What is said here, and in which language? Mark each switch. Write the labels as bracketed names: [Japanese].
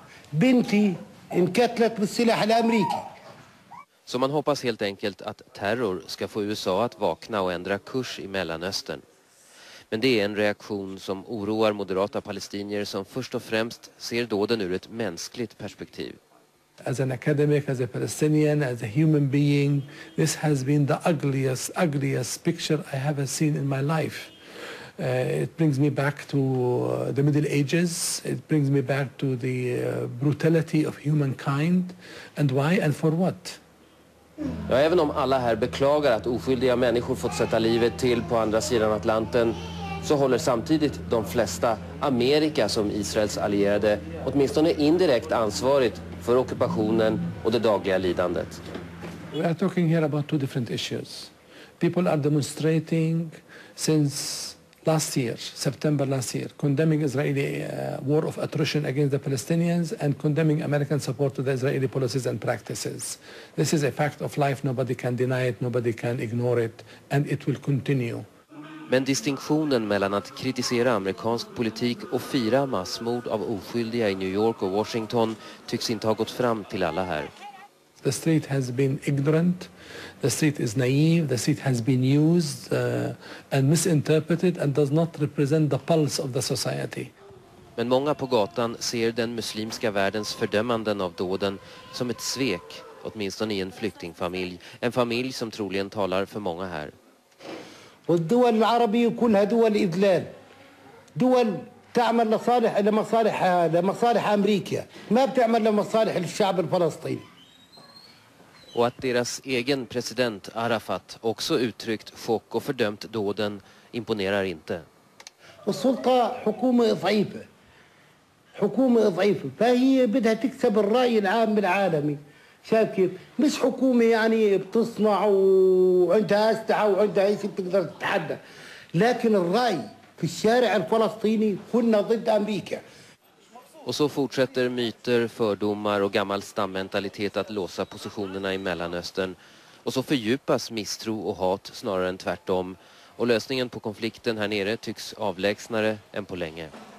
[Arabic] Binti inkatlat bis silah al amriki. [Swedish] Så man hoppas helt enkelt att terror ska få USA att vakna och ändra kurs i Mellanöstern. Men det är en reaktion som oroar moderata palestinier som först och främst ser dåden ur ett mänskligt perspektiv. [English] As an academic, as a Palestinian, as a human being, this has been the ugliest picture I have seen in my life. It brings me back to the Middle Ages. It brings me back to the brutality of humankind. And why and for what? [Swedish] Ja, även om alla här beklagar att oskyldiga människor fått sätta livet till på andra sidan Atlanten, så håller samtidigt de flesta Amerika som Israels allierade åtminstone indirekt ansvarigt för ockupationen och det dagliga lidandet. [English] We are talking here about 2 different issues. People are demonstrating since last year, September last year, condemning Israeli war of attrition against the Palestinians and condemning American support to the Israeli policies and practices. This is a fact of life, nobody can deny it, nobody can ignore it, and it will continue. [Swedish] Men distinktionen mellan att kritisera amerikansk politik och fira massmord av oskyldiga i New York och Washington tycks inte ha gått fram till alla här. [English] The street has been ignorant. The street is naive. The street has been used and misinterpreted and does not represent the pulse of the society. [Swedish] Men många på gatan ser den muslimska världens fördömanden av dåden som ett svek, åtminstone i en flyktingfamilj, en familj som troligen talar för många här. [Arabic] والدول العربية كلها دول إذلال دول ت تعمل لصالح لمصالح امريكا ما بتعمل لمصالح الشعب الفلسطيني. [Swedish] Och att deras egen president Arafat också uttryckt chock och fördömt dåden imponerar inte. [Arabic] السلطه حكومه ضعيفه حكومه ضعيفه فهي بدها تكسب الراي العام العالمي شايف كيف مش حكومه يعني بتصنع وعندها اسلحه وعندها هيك بتقدر تتحدى لكن الراي في الشارع الفلسطيني كنا ضد امريكا. [Swedish] Och så fortsätter myter, fördomar och gammal stammentalitet att låsa positionerna i Mellanöstern. Och så fördjupas misstro och hat snarare än tvärtom. Och lösningen på konflikten här nere tycks avlägsnare än på länge.